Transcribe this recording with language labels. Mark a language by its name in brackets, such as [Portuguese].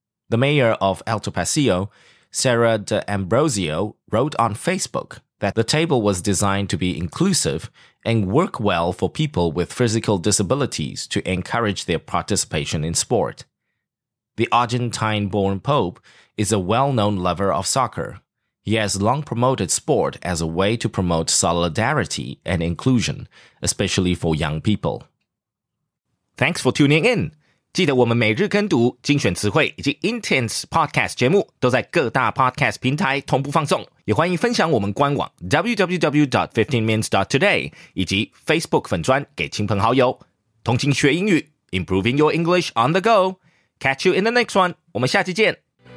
[English] The mayor of Alto Pasio, Sara D'Ambrosio, wrote on Facebook that the table was designed to be inclusive and work well for people with physical disabilities to encourage their participation in sport. The Argentine-born Pope is a well-known lover of soccer. He has long promoted sport as a way to promote solidarity and inclusion, especially for young people. Thanks for tuning in! [Chinese] 记得我们每日跟读精选词汇以及 Intense Podcast 节目都在各大 Podcast 平台同步放送，也欢迎分享我们官网 www.15minutes.today 以及 Facebook 粉专给亲朋好友。同情学英语 [English] Improving your English on the go. Catch you in the next one. [Chinese] 我们下期见。